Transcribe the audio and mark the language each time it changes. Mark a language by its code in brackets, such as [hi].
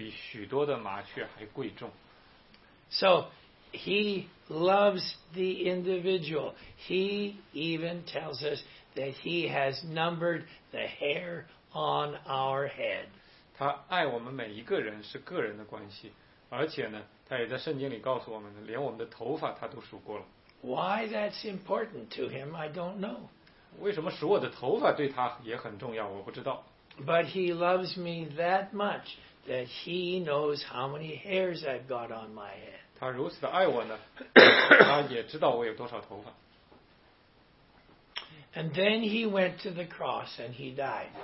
[zh] 然后他跟他们讲神的爱，讲完之后呢，他就用了这么个比喻。他说，你们这群小子啊，不要害怕，因为你们比许多的麻雀还贵重。 [en] So, He loves the individual. He even tells us that He has numbered the hair on our head. [zh] 他爱我们每一个人是个人的关系，而且呢，他也在圣经里告诉我们，连我们的头发他都数过了。 [en] Why that's important to Him, I don't know. [zh] 为什么数我的头发对他也很重要，我不知道。 [en] But He loves me that much that He knows how many hairs I've got on my head. [zh] 他如此的爱我呢，他也知道我有多少头发。 [en] And then he went to the cross and he died.